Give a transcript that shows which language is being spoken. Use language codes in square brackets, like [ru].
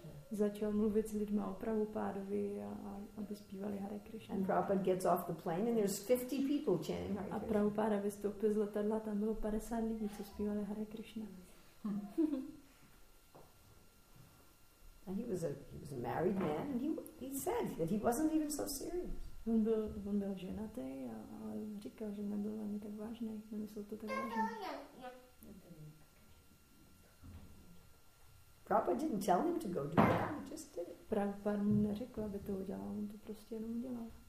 [cs] Začal mluvit s lidmi o Prabhupádovi a aby zpívali Hare Krishna. [en] And Prabhupada gets off the plane and there's 50 people chanting Hare Krishna. [cs] A Prabhupada vystoupil z letadla, tam bylo 50 lidí, co zpívali Hare Krishna. [en] And he was a married man and he said that he wasn't even so serious. [cs] On byl ženatý, ale říkal, že nebyl ani tak vážný, nemyslel to tak vážně. [en] Prabhupada didn't tell him to go do that, he just did it. [cs] Prabhupada mu neřekl, aby to udělal, on to prostě jenom udělal.